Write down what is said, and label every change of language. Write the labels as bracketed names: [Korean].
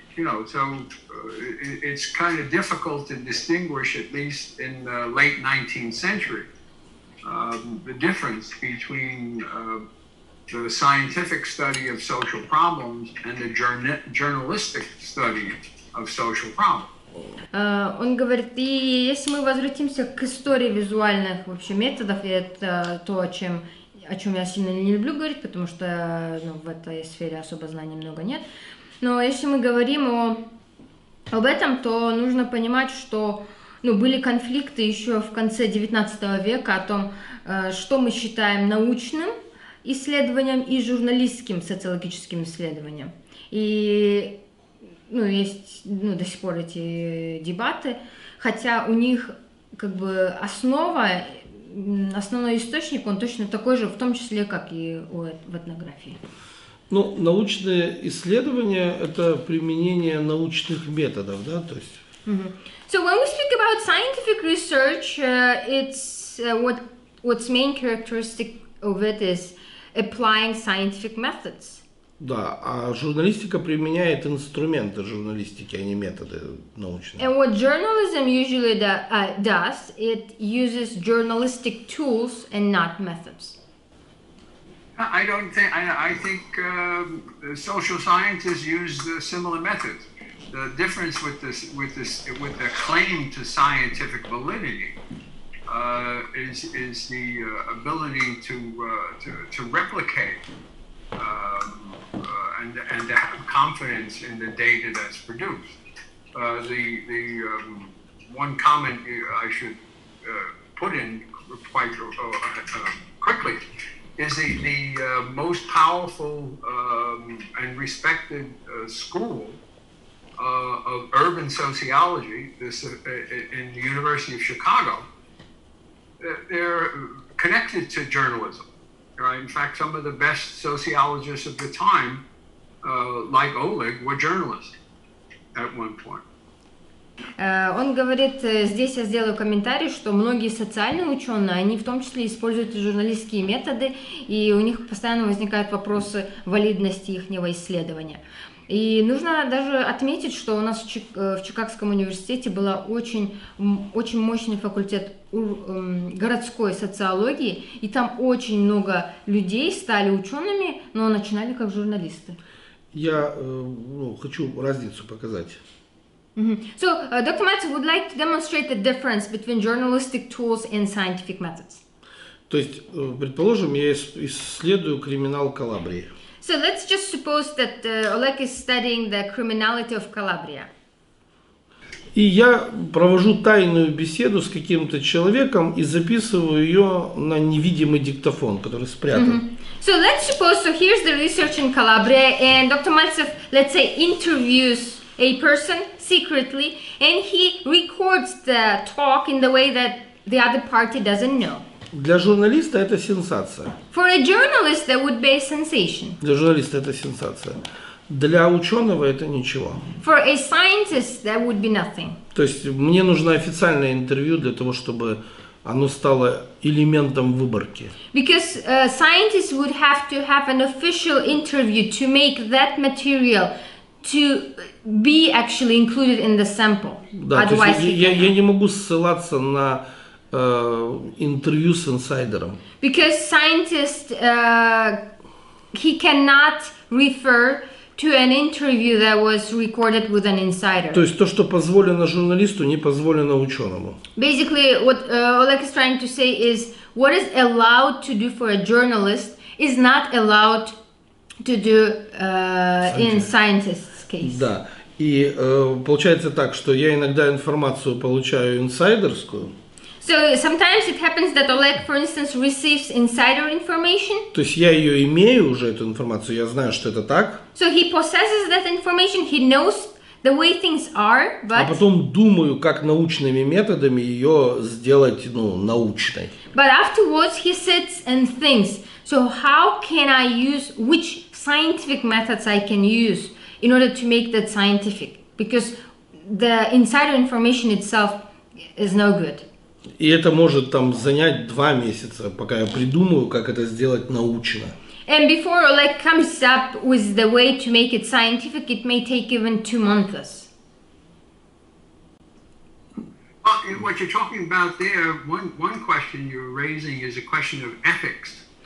[English] You know, so it's kind of difficult to distinguish, at least in the late 19th century, the difference between the scientific study of social problems and the journalistic study of social problems. [Russian] Он говорит, и если мы возвратимся к истории визуальных вообще методов, и это то, о чем я сильно не люблю говорить, потому что ну, в этой сфере особо знаний много нет. Но если мы говорим об этом, то нужно понимать, что ну, были конфликты еще в конце 19 века о том, что мы считаем научным исследованием и журналистским социологическим исследованием. И ну, есть ну, до сих пор эти дебаты, хотя у них как бы основной источник, он точно такой же, в том числе, как и в этнографии. Ну, научное исследование – это применение научных методов, да, то есть. Mm-hmm. [English] So when we speak about scientific research, it's what's main characteristic of it is applying scientific methods. [Russian] Да, а журналистика применяет инструменты журналистики, а не методы научные. [English] And what journalism usually does, it uses journalistic tools and not methods. I think social scientists use similar methods. The difference with the claim to scientific validity is the ability to replicate and to have confidence in the data that's produced. The one comment I should put in quite quickly is the most powerful and respected school of urban sociology, this in the University of Chicago. They're connected to journalism. Right? In fact, some of the best sociologists of the time, like Oleg, were journalists at one point. [Russian] Он говорит, здесь я сделаю комментарий, что многие социальные ученые, они в том числе используют и журналистские методы, и у них постоянно возникают вопросы валидности ихнего исследования. И нужно даже отметить, что у нас в Чикагском университете была очень мощный факультет городской социологии, и там очень много людей стали учеными, но начинали как журналисты. Я хочу разницу показать. [English] Mm-hmm. So, Dr. Matsu would like to demonstrate the difference between journalistic tools and scientific methods. [Russian] То есть, предположим, я исследую криминал Калабрии. [English] So, let's just suppose that Oleg is studying the criminality of Calabria. [Russian] И я провожу тайную беседу с каким-то человеком и записываю ее на невидимый диктофон, который спрятан. Mm-hmm. [English] So, let's suppose, so here's the research in Calabria, and Dr. Matsu, let's say, interviews a person secretly, and he records the talk in the way that the other party doesn't know. [Russian] Для журналиста это сенсация. [English] For a journalist, that would be a sensation. [Russian] Для журналиста это сенсация. Для ученого это ничего. [English] For a scientist, that would be nothing. [Russian] То есть мне нужно официальное интервью для того, чтобы оно стало элементом выборки. [English] Because scientists would have to have an official interview to make that material to be actually included in the sample. [Russian] Да, [English] otherwise, [Russian] я не могу ссылаться на интервью с инсайдером. [English] Because scientist he cannot refer to an interview that was recorded with an insider. [Russian] То есть то, что позволено журналисту, не позволено ученому. [English] Basically, what Oleg is trying to say is what is allowed to do for a journalist is not allowed to do in scientists. Case. [Russian] Да, и получается так, что я иногда информацию получаю инсайдерскую. [English] So sometimes it happens that Oleg, for instance, receives insider information. [Russian] То есть я ее имею уже эту информацию, я знаю, что это так. [English] So he possesses that information, he knows the way things are, but. [Russian] А потом думаю, как научными методами ее сделать, ну, научной. [English] But afterwards he sits and thinks. So how can I use which scientific methods I can use in order to make that scientific, because the insider information itself is no good. [Russian] И это может там занять 2 месяца, пока я придумаю, как это сделать научно. [English] And before Oleg comes up with the way to make it scientific, it may take even 2 months. Well, what you're talking about there, one question you're raising is a question of ethics.